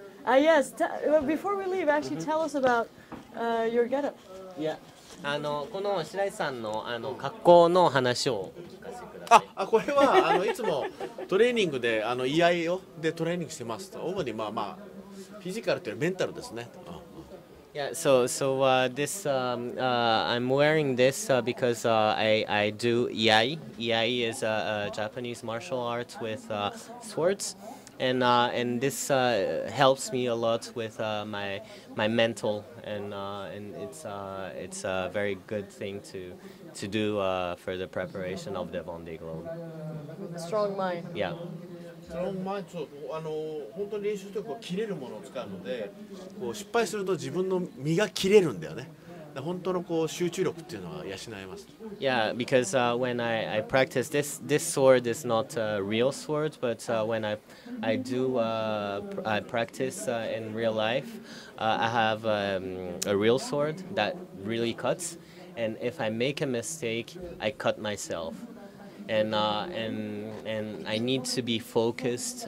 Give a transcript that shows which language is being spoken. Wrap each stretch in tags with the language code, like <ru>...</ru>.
<en>Yes, before we leave, actually tell us about your getup. Yeah.</en> <ja>あのこの白井さんのあの格好の話を聞かせてください。あ、これはあのいつもトレーニングであの居合をでトレーニングしてますと。主にまあまあフィジカルというメンタルですね。</ja> <en>Yeah, so this I'm wearing this because I do iai. Iai is a Japanese martial arts with swords, and this helps me a lot with my mental, and it's a very good thing to do for the preparation of the Vendée Globe. Strong mind. Yeah.</en> <ja>前ちょっとあの本当に練習してこう切れるものを使うのでこう失敗すると自分の身が切れるんだよね。本当のこう集中力っていうのは養えます。</ja> <en>Yeah, because when I practice this sword is not a real sword, but when I do I practice in real life, I have a real sword that really cuts. And if I make a mistake, I cut myself. And I need to be focused.</en>